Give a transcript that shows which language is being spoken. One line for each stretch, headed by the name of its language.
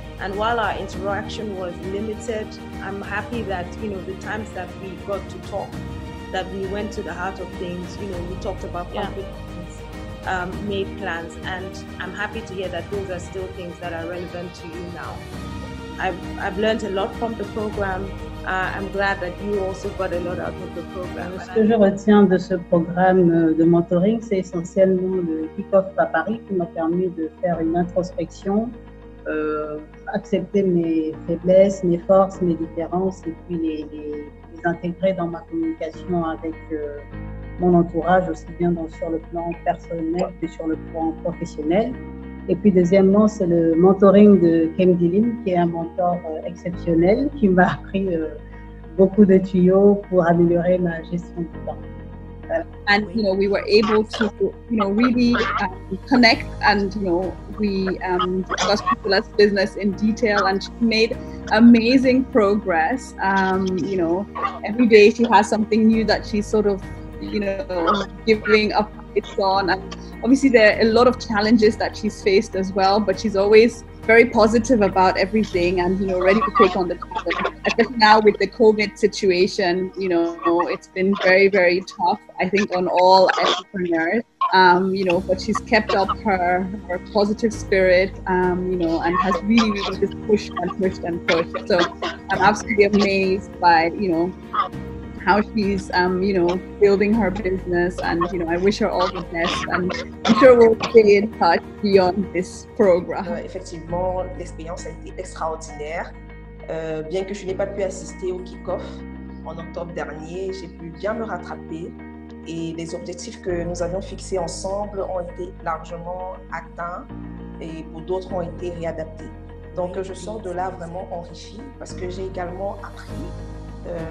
English: And while our interaction was limited, I'm happy that, you know, the times that we got to talk, that we went to the heart of things, you know, we talked about Yeah. complicated things, made plans, and I'm happy to hear that those are still things that are relevant to you now. I've learned a lot from the program. I'm glad that you also got a lot out of the program.
French: Ce que je retiens de ce programme de mentoring, c'est essentiellement le kick-off à Paris qui m'a permis de faire une introspection, accepter mes faiblesses, mes forces, mes différences et puis les intégrer dans ma communication avec mon entourage, aussi bien sur le plan personnel que sur le plan professionnel. Et puis deuxièmement, c'est le mentoring de Kem Dilim, qui est un mentor exceptionnel, qui m'a appris beaucoup de tuyaux pour améliorer ma gestion du temps.
English: And you know, we were able to, you know, really connect, and you know, we discussed people's business in detail, and she made amazing progress. You know, every day she has something new that she's sort of, you know, giving up it's on. And obviously there are a lot of challenges that she's faced as well, but she's always very positive about everything, and you know, ready to take on the challenge. Especially now with the COVID situation, you know, it's been very, very tough, I think, on all entrepreneurs. You know, but she's kept up her positive spirit, you know, and has really, really just pushed and pushed and pushed. So I'm absolutely amazed by, you know, how she's, you know, building her business, and you know, I wish her all the best, and I'm sure we'll stay in touch beyond this program.
French: Effectivement, l'expérience a été extraordinaire. Bien que je n'ai pas pu assister au kick-off en octobre dernier, j'ai pu bien me rattraper et les objectifs que nous avions fixés ensemble ont été largement atteints et pour d'autres ont été réadaptés. Donc, je sors de là vraiment enrichie parce que j'ai également appris.